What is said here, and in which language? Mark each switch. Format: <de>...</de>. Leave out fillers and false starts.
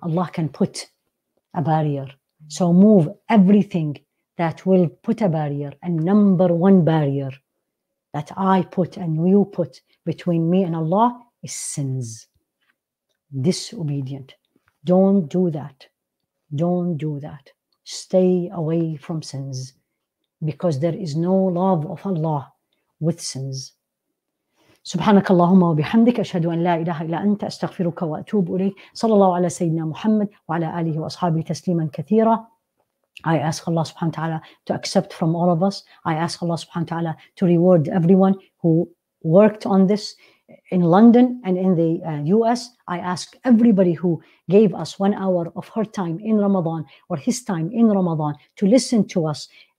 <en>Allah can put a barrier. So move everything that will put a barrier, a number one barrier that I put and you put between me and Allah is sins. Disobedient. Don't do that. Don't do that. Stay away from sins because there is no love of Allah with sins.</en> <ar>سبحانك اللهم وبحمدك أشهد أن لا إله إلا أنت أستغفرك وأتوب إليك صلى الله على سيدنا محمد وعلى آله وأصحابه تسليما كثيرا.</ar> <en>I ask Allah subhanahu wa ta'ala to accept from all of us. I ask Allah subhanahu wa ta'ala to reward everyone who worked on this in London and in the US. I ask everybody who gave us 1 hour of her time in Ramadan or his time in Ramadan to listen to us.</en>